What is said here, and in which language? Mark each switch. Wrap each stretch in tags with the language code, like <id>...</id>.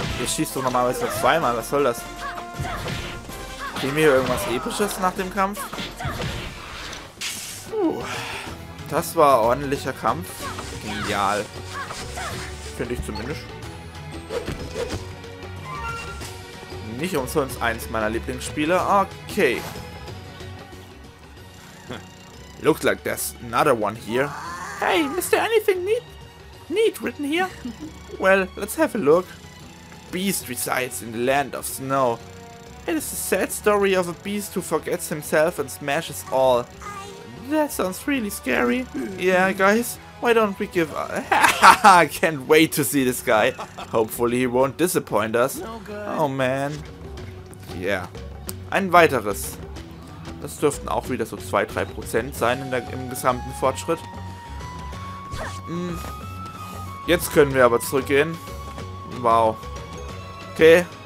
<de>Ihr schießt doch normalerweise zweimal. Was soll das? Kriegen wir hier irgendwas Episches nach dem Kampf? Das war ordentlicher Kampf. Genial. Finde ich zumindest. Nicht umsonst eins meiner Lieblingsspiele. Okay.</de> <en>Looks like there's another one here. Hey, is there anything neat written here? Well, let's have a look. Beast resides in the land of snow. It is a sad story of a beast who forgets himself and smashes all. That sounds really scary. Yeah, guys, why don't we give up? I can't wait to see this guy. Hopefully he won't disappoint us. No good. Oh man. Yeah.</en> <de>Ein weiteres. Das dürften auch wieder so 2-3% sein im gesamten Fortschritt. Jetzt können wir aber zurückgehen. Wow. Okay.</de>